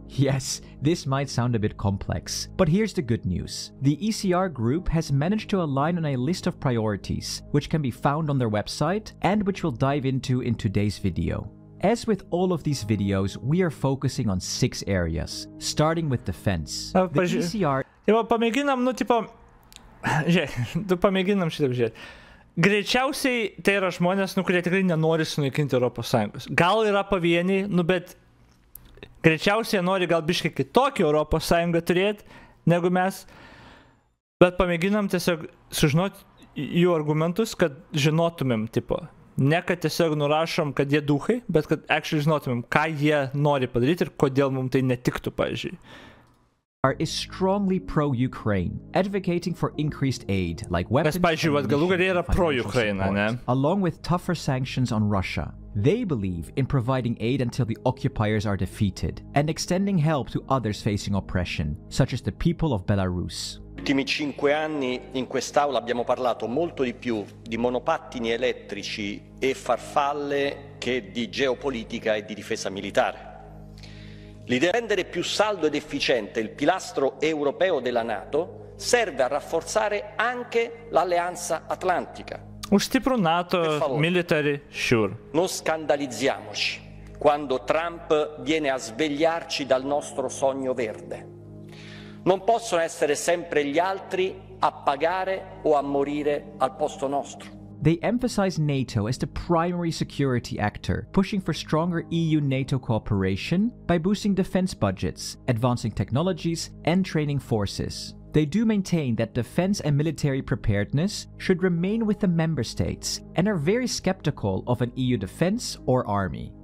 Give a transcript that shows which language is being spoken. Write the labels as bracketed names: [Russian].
[English] Yes, this might sound a bit complex, but here's the good news. The ECR group has managed to align on a list of priorities, which can be found on their website and which we'll dive into today's video. As with all of these videos, we are focusing on six areas, starting with defense. [Lithuanian] Pamėginam, nu, tipo, žiūrėk, pamėginam šitaip žiūrėti. Greičiausiai tai yra žmonės, nu, kurie tikrai nenori sunaikinti Europos Sąjungos. Gal yra pavieniai, nu, bet greičiausiai nori gal biškai kitokį Europos Sąjungą turėti, negu mes. Bet pamėginam tiesiog sužinoti jų argumentus, kad žinotumėm, tipo, ne kad tiesiog nurašom, kad jie duchai, bet kad actually žinotumėm, ką jie nori padaryti ir kodėl mum tai netiktų, pavyzdžiui. [English] Are is strongly pro Ukraine, advocating for increased aid like weapons. [Lithuanian] Mes, pavyzdžiui, vat, galų galia yra pro Ukraina, ne? [English] Along with tougher sanctions on Russia. They believe in providing aid until the occupiers are defeated and extending help to others facing oppression, such as the people of Belarus. [Italian] Ultimi 5 anni in quest'aula abbiamo parlato molto di più di monopattini elettrici e farfalle che di geopolitica e di difesa militare. L'idea di rendere più saldo ed efficiente il pilastro europeo della NATO serve a rafforzare anche l'alleanza atlantica. Un stipro NATO military, sure. Non scandalizziamoci quando Trump viene a svegliarci dal nostro sogno verde. Non possono essere sempre gli altri a pagare o a morire al posto nostro. [English] They emphasize NATO as the primary security actor, pushing for stronger EU-NATO cooperation by boosting defense budgets, advancing technologies, and training forces. They do maintain that defense and military preparedness should remain with the member states and are very skeptical of an EU defense or army.